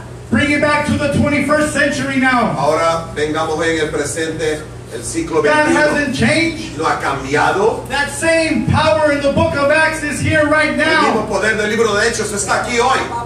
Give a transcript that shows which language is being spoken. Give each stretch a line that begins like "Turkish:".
English: Bring it back to the 21st century now.
Spanish: Ahora vengamos en el presente, el siglo XXI.
English: That hasn't changed.
Spanish: ¿Lo ha cambiado?
English: That same power in the book of Acts is here right now.
Spanish: El mismo poder del libro de Hechos está aquí hoy.